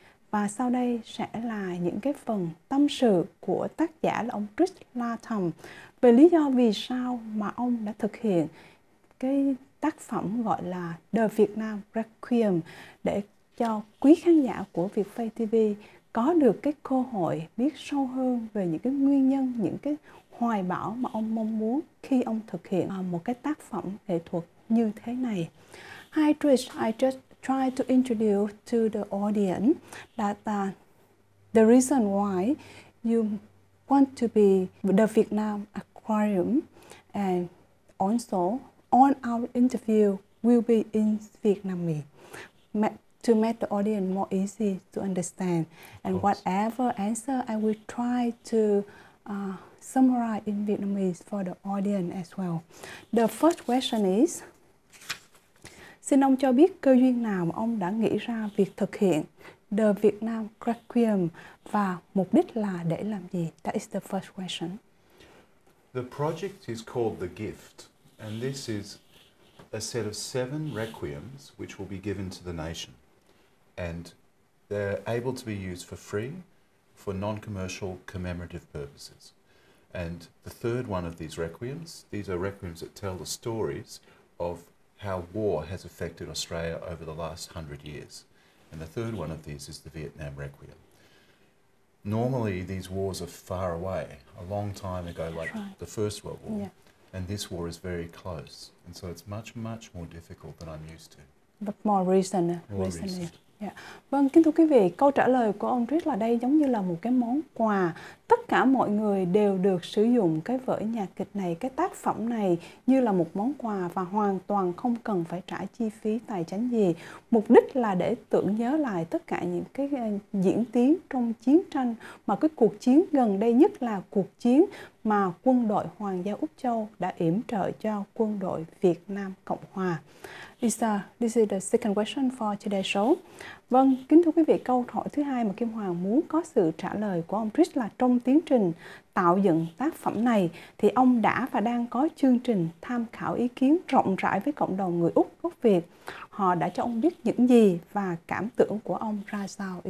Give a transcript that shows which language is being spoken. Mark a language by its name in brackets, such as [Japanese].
[Vietnamese] Và sau đây sẽ là những cái phần tâm sự của tác giả là ông Chris Latham về lý do vì sao mà ông đã thực hiện cái tác phẩm gọi là The Vietnam Requiem để cho quý khán giả của Vietface TV có được cái cơ hội biết sâu hơn về những cái nguyên nhân, những cái hoài bão mà ông mong muốn khi ông thực hiện một cái tác phẩm nghệ thuật như thế này. [English] Hi Trish, I just tried to introduce to the audience that the reason why you want to be the Vietnam Aquarium, and also on our interview will be in Vietnamese to make the audience more easy to understand. And whatever answer, I will try to summarize in Vietnamese for the audience as well. The first question is, [Vietnamese] xin ông cho biết cơ duyên nào mà ông đã nghĩ ra việc thực hiện The Vietnam Requiem và mục đích là để làm gì? [English] That is the first question. The project is called The Gift, and this is a set of seven requiems which will be given to the nation. And they're able to be used for free for non-commercial commemorative purposes. And the third one of these are requiems that tell the stories of how war has affected Australia over the last 100 years. And the third one of these is the Vietnam Requiem. Normally, these wars are far away, a long time ago, like the First World War. Yeah. And this war is very close. And so it's much, much more difficult than I'm used to. But more recent. Yeah. [Vietnamese] Vâng, kính thưa quý vị, câu trả lời của ông Chris là đây giống như là một cái món quà. Tất cả mọi người đều được sử dụng cái vở nhạc kịch này, cái tác phẩm này như là một món quà và hoàn toàn không cần phải trả chi phí tài chính gì. Mục đích là để tưởng nhớ lại tất cả những cái diễn tiến trong chiến tranh, mà cái cuộc chiến gần đây nhất là cuộc chiến mà quân đội Hoàng gia Úc Châu đã yểm trợ cho quân đội Việt Nam Cộng Hòa. [English] This is the second question for today's show. [Vietnamese] Vâng, kính thưa quý vị, câu hỏi thứ hai mà Kim Hoàng muốn có sự trả lời của ông Chris là trong tiến trình tạo dựng tác phẩm này thì ông đã và đang có chương trình tham khảo ý kiến rộng rãi với cộng đồng người Úc gốc Việt. Họ đã cho ông biết những gì và cảm tưởng của ông ra sao?